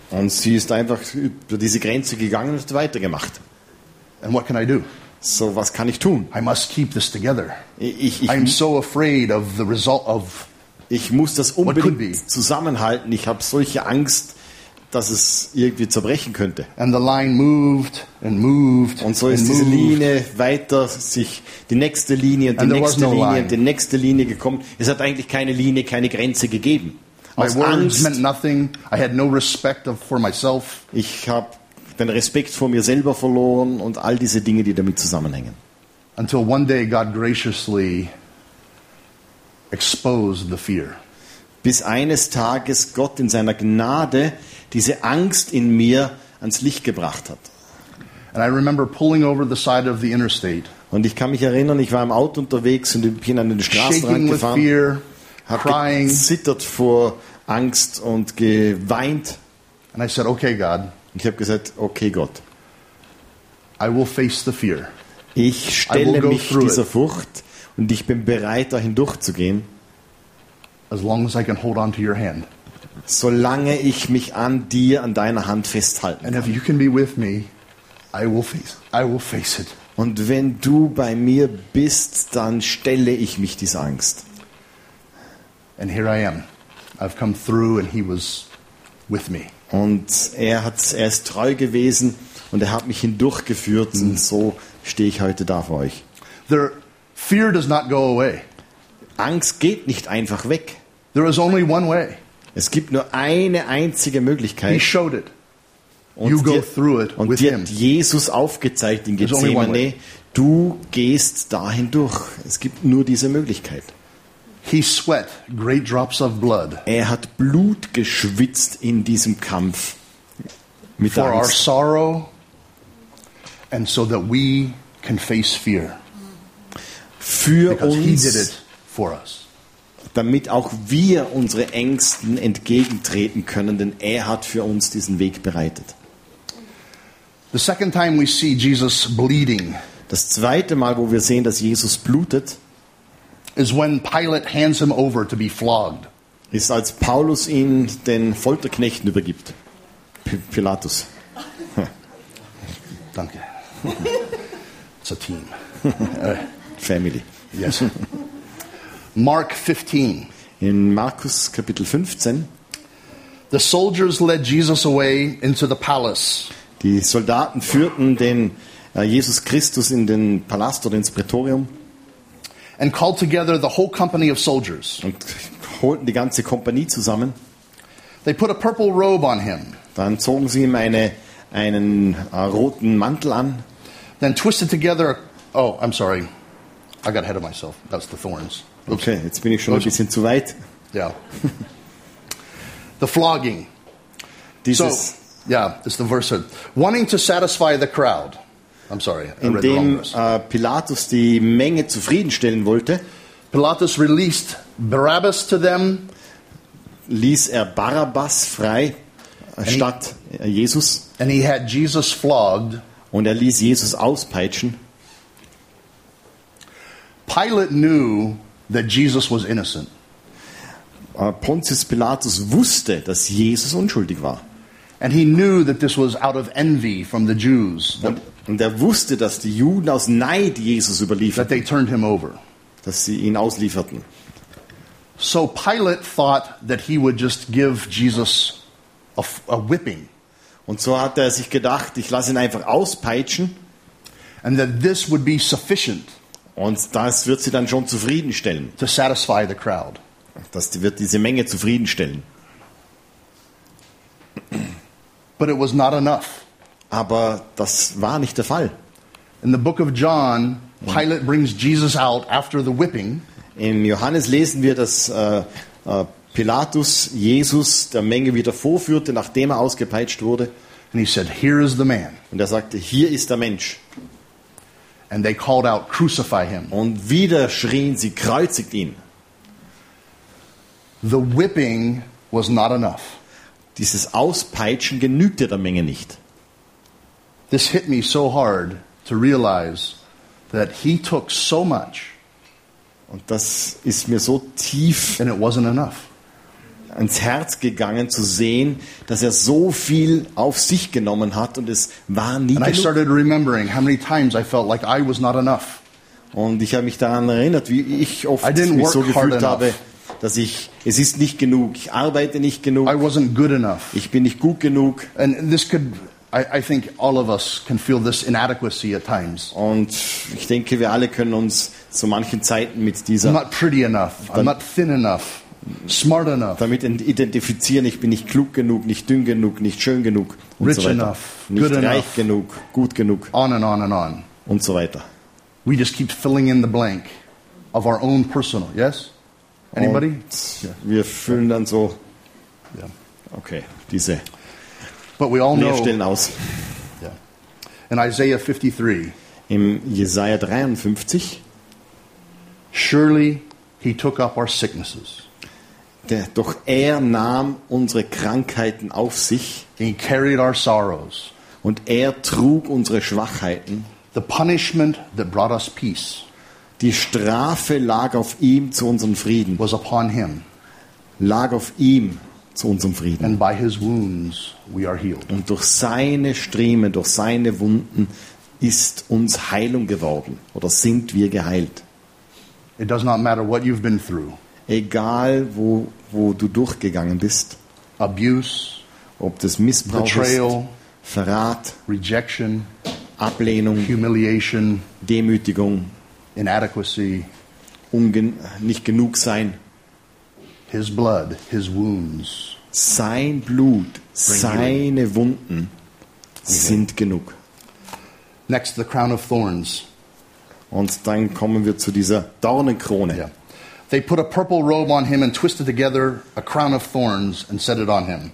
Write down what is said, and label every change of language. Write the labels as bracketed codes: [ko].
[de] Und sie ist einfach über diese Grenze gegangen und hat weitergemacht. [en] And what can I do? [de] So, was kann ich tun? [en] I must keep this together. [de] Ich [en] I'm so afraid of the result of. [de] Ich muss das unbedingt zusammenhalten. Ich habe solche Angst, dass es irgendwie zerbrechen könnte. [en] And the line moved and moved. [de] Und so ist diese Linie weiter sich die nächste Linie und die nächste Linie und die nächste Linie gekommen. Es hat eigentlich keine Linie, keine Grenze gegeben. [en] My words meant nothing. I had no respect for myself. [de] Ich habe den Respekt vor mir selber verloren und all diese Dinge, die damit zusammenhängen. [en] Until one day God graciously exposed the fear. [de] Bis eines Tages Gott in seiner Gnade diese Angst in mir ans Licht gebracht hat. [en] And I remember pulling over the side of the interstate. [de] Und ich kann mich erinnern, ich war im Auto unterwegs und bin an den Straßenrand gefahren. [en] With fear. Crying, [de] zittert vor Angst und geweint. [en] And I said, "Okay, God." [de] Ich habe gesagt, okay, Gott. [en] I will face the fear. [de] Ich stelle mich dieser Furcht und ich bin bereit, da hindurchzugehen. [en] As long as I can hold on to your hand. [de] Solange ich mich an dir, an deiner Hand festhalten kann. [en] And if you can be with me, I will face it. [de] Und wenn du bei mir bist, dann stelle ich mich dieser Angst. [en] And here I am. I've come through and he was with me. [de] Und er ist treu gewesen und hat mich hindurchgeführt und so stehe ich heute da vor euch. [en] There, fear does not go away. [de] Angst geht nicht einfach weg. [en] There is only one way. [de] Es gibt nur eine einzige Möglichkeit. [en] He showed it. [de] Und [en] you go through it [de] und [en] with [de] dir [en] him. [de] Hat Jesus aufgezeigt in Gethsemane, du gehst da hindurch. Es gibt nur diese Möglichkeit. [en] He sweat great drops of blood. [de] Er hat Blut geschwitzt in diesem Kampf mit [en] for our sorrow and so that we can face fear. [de] Für [en] because [de] uns [en] he did it for us. [de] damit auch wir unsere Ängsten entgegentreten können, denn er hat für uns diesen Weg bereitet. [en] The second time we see Jesus bleeding. [de] Das zweite Mal, wo wir sehen, dass Jesus blutet, [en] is when Pilate hands him over to be flogged. [de] Ist, als Paulus ihn den Folterknechten übergibt. Pilatus. Danke. [en] It's a team. Family. Yes. Mark 15. [de] In Markus Kapitel 15. [en] The soldiers led Jesus away into the palace. [de] Die Soldaten führten den Jesus Christus in den Palast oder ins Prätorium. [en] And called together the whole company of soldiers. [de] Und holten die ganze Kompanie zusammen. [en] They put a purple robe on him. [de] Dann zogen sie ihm einen roten Mantel an. [en] Then twisted together. Oh, I'm sorry. I got ahead of myself. That's the thorns. Oops. [de] Okay, jetzt bin ich schon ein bisschen zu weit. [en] Yeah. The flogging. [de] Dieses. [en] So, yeah, it's the verse. Wanting to satisfy the crowd. I'm sorry. [de] Indem Pilatus die Menge zufriedenstellen wollte. [en] Pilatus released Barabbas to them. [de] Ließ er Barabbas frei statt Jesus. [en] And he had Jesus flogged. [de] Und er ließ Jesus auspeitschen. [en] Pilate knew that Jesus was innocent. [de] Pontius Pilatus wusste, dass Jesus unschuldig war. [en] And he knew that this was out of envy from the Jews. [de] Und er wusste, dass die Juden aus Neid Jesus überlieferten. [en] That they turned him over. [de] Dass sie ihn auslieferten. [en] So Pilate thought that he would just give Jesus a whipping. [de] Und so hat er sich gedacht, ich lasse ihn einfach auspeitschen. [en] And that this would be sufficient. [de] Und das wird sie dann schon zufriedenstellen. [en] To satisfy the crowd. [de] Das wird diese Menge zufriedenstellen. [en] But it was not enough. [de] Aber das war nicht der Fall. [en] In the book of John, Pilate brings Jesus out after the whipping. [de] In Johannes lesen wir, dass Pilatus Jesus der Menge wieder vorführte, nachdem er ausgepeitscht wurde. [en] And he said, "Here is the man." [de] Und er sagte, hier ist der Mensch. [en] And they called out, "Crucify him." [de] Und wieder schrien sie, kreuzigt ihn. [en] The whipping was not enough. [de] Dieses Auspeitschen genügte der Menge nicht. [en] This hit me so hard to realize that he took so much. [de] Und das ist mir so tief [en] and it wasn't enough. [de] Ans Herz gegangen zu sehen, dass er so viel auf sich genommen hat und es war nie genug. [en] I started remembering how many times I felt like I was not enough. [de] Und ich habe mich daran erinnert, wie ich oft mich so gefühlt habe, dass ich, es ist nicht genug, ich arbeite nicht genug. [en] I wasn't good enough. [de] Ich bin nicht gut genug. [en] And this could, I think all of us can feel this inadequacy at times. [de] Und ich denke, wir alle können uns zu manchen Zeiten mit dieser [en] I'm not pretty enough. I'm not thin enough. Smart enough. [de] Damit identifizieren, ich bin nicht klug genug, nicht dünn genug, nicht schön genug und [en] rich [de] so weiter. [en] Enough. [de] Nicht [en] good [de] reich [en] enough. [de] Genug, gut genug. [en] On and on and on. [de] Und so weiter. [en] We just keep filling in the blank of our own personal, yes? Anybody? Yeah. [de] Wir füllen dann so okay, diese [en] But we all know. [de] Leerstellen aus. [en] Yeah. In Isaiah 53. [de] Im Jesaja 53. [en] Surely he took up our sicknesses. [de] Doch er nahm unsere Krankheiten auf sich. [en] He carried our sorrows. [de] Und er trug unsere Schwachheiten. [en] The punishment that brought us peace. [de] Die Strafe lag auf ihm zu unserem Frieden. [en] Was upon him. [de] Lag auf ihm. Zu unserem Frieden. [en] And by his wounds we are healed. [de] Und durch seine Striemen, durch seine Wunden ist uns Heilung geworden oder sind wir geheilt. [en] It does not matter what you've been through. [de] Egal wo du durchgegangen bist. [en] Abuse, [de] ob das Missbrauch [en] betrayal, [de] ist, Verrat, [en] rejection, [de] Ablehnung, [en] humiliation, [de] Demütigung, [en] inadequacy, [de] nicht genug sein. [en] His blood, his wounds. [de] Sein Blut, seine Wunden sind genug. [en] Next, the crown of thorns. [de] Und dann kommen wir zu dieser Dornenkrone. [en] Yeah. They put a purple robe on him and twisted together a crown of thorns and set it on him.